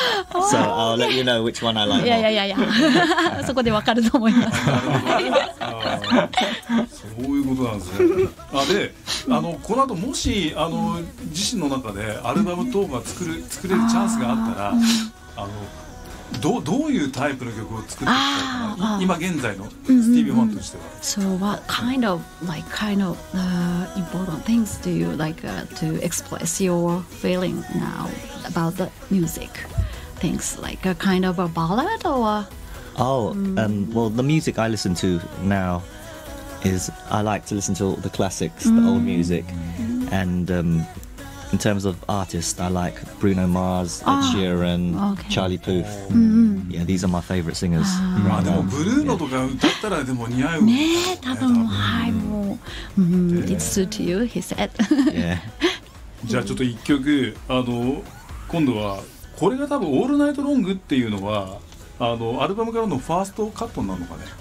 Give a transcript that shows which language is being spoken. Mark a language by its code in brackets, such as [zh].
[en] So I'll let you know which one I like. Yeah. [ja] そこでわかると思います。そういうことなんですね。あ、で、あの、この後もし、あの、自身の中でアルバム等が作れるチャンスがあったら、あの、どういうタイプの曲を作っていくか、今現在のスティービー・ワンダーとしては。 [en] So what kind of, like, kind of, important things do you like, to express your feeling now about the music? Things like a kind of a ballad or Well, the music I listen to now is I like to listen to all the classics, the old music, and in terms of artists, I like Bruno Mars, Ed Sheeran, Charlie Puth. Yeah, these are my favorite singers. [ja] Ah, でもブルーノとか歌ったらでも似合う。ね、多分はい、もう、 [en] It suit you, he said. [ja] じゃあちょっと一曲あの今度は。これが多分オールナイトロングっていうのはあのアルバムからのファーストカットなのかね。